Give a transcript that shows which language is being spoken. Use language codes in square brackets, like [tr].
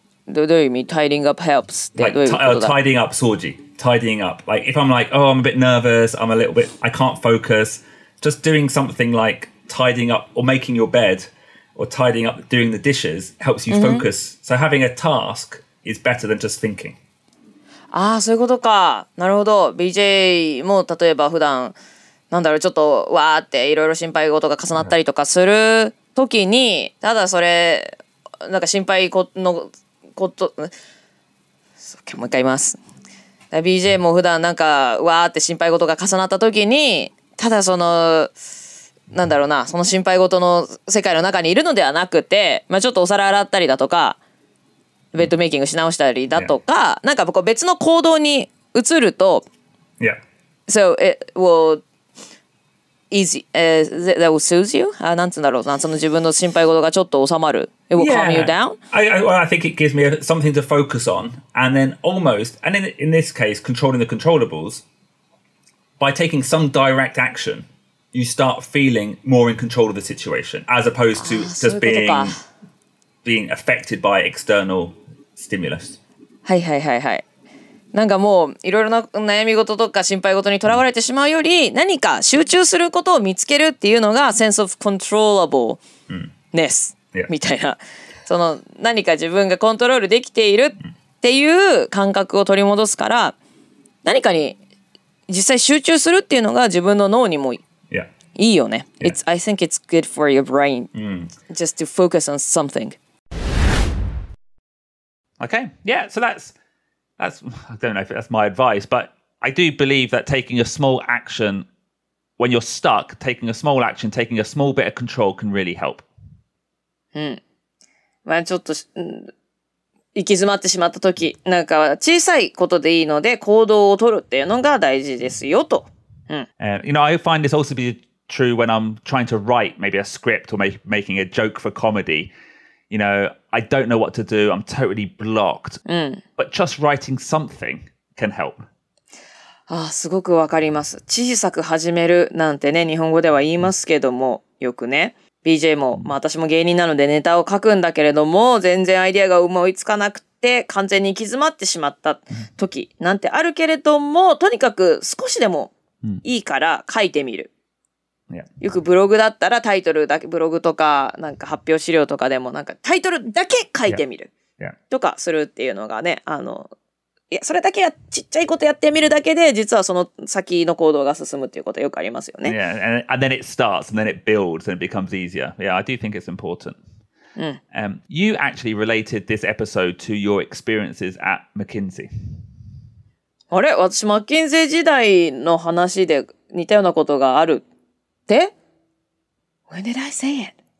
[ja] どういう意味 [en] tidying up helps [ja] ってどういうことだ [en] like, tidying up 掃除 tidying up like if I'm like oh I'm a bit nervous I'm a little bit I can't focus just doing something like tidying up or making your bed or tidying up doing the dishes helps you focus、mm-hmm. so having a task is better than just thinking [ja] ああそういうことかなるほど BJ も例えば普段なんだろうちょっとわーっていろいろ心配事が重なったりとかする時にただそれなんか心配のこと、もう一回言います。 BJ も普段なんかわーって心配事が重なった時に、ただそのなんだろうな、その心配事の世界の中にいるのではなくて、まあちょっとお皿洗ったりだとか、ベッドメイキングし直したりだとか、 [en] yeah. [ja] なんかこう別の行動に移ると、 [en] yeah. So it will easy, that will soothe you? [ja] あ、なんつうんだろうな、その自分の心配事がちょっと収まる。 [en] It will calm you down? I think it gives me something to focus on. And then almost, and in this case, controlling the controllables, by taking some direct action, you start feeling more in control of the situation, as opposed to just being affected by external stimulus. [ja] はいはいはいはい。なんかもういろいろな悩み事とか心配事にとらわれてしまうより、何か集中することを見つけるっていうのが [en] sense of controllableness。 Yeah. [ja] みたいなその何か自分がコントロールできているっていう感覚を取り戻すから何かに実際集中するっていうのが自分の脳にもいいよね、 [en] yeah. it's, I think it's good for your brain、mm. just to focus on something okay yeah so that's I don't know if that's my advice but I do believe that taking a small action when you're stuck taking a small action taking a small bit of control can really help [ja] うん。まあ、ちょっと、行き詰まってしまった時、なんか小さいことでいいので行動を取るっていうのが大事ですよと。うん。 [en] You know, I find this also be true when I'm trying to write maybe a script or making a joke for comedy. You know, I don't know what to do. I'm totally blocked. [ja] うん。 [en] But just writing something can help. [ja] ああ、すごくわかります。小さく始めるなんてね、日本語では言いますけども、よくね。 BJ も、まあ、私も芸人なのでネタを書くんだけれども全然アイデアが思いつかなくて完全に行き詰まってしまった時なんてあるけれどもとにかく少しでもいいから書いてみる、 [en] yeah. [ja] よくブログだったらタイトルだけブログとかなんか発表資料とかでもなんかタイトルだけ書いてみるとかするっていうのがねあのいやそれだけやちっちゃいことやってみるだけで実はその先の行動が進むっていうことよくありますよね。 [en] Yeah, and then it starts, and then it builds, and it becomes easier. Yeah, I do think it's important.、 [ja] うん [en] you actually related this episode to your experiences at McKinsey. [ja] あれ私、マッキンゼー時代の話で似たようなことがあるって [en] When did I say it?